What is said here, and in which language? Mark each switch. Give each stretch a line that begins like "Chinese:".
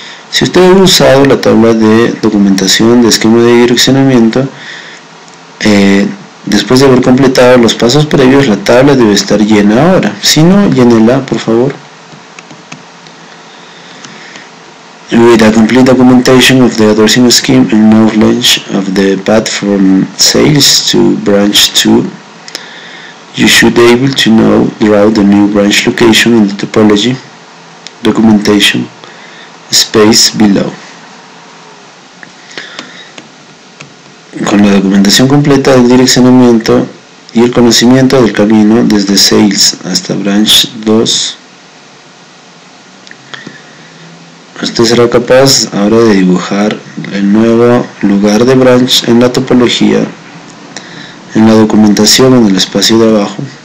Spanish: Si usted ha usado la tabla de documentación de esquema de direccionamiento, Después de haber completado los pasos previos, la tabla debe estar llena ahora. Si no, llénela, por favor.
English: With a complete documentation of the addressing scheme and knowledge of the path from sales to branch 2, you should be able to know draw the new branch location in the topology documentation space below.
Spanish: Con la documentación completa del direccionamiento y el conocimiento del camino desde sales hasta branch 2, usted será capaz ahora de dibujar el nuevo lugar de branch en la topología, en la documentación, en el espacio de abajo.